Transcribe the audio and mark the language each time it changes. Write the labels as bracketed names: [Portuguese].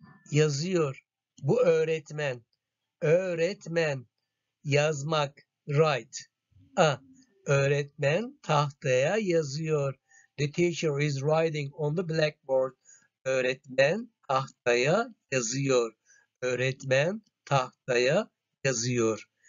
[Turkish] Yazıyor. Bu öğretmen. Öğretmen. Yazmak, write. A, öğretmen tahtaya yazıyor. [English] The teacher is writing on the blackboard. [Turkish] Öğretmen tahtaya yazıyor. Öğretmen tahtaya yazıyor.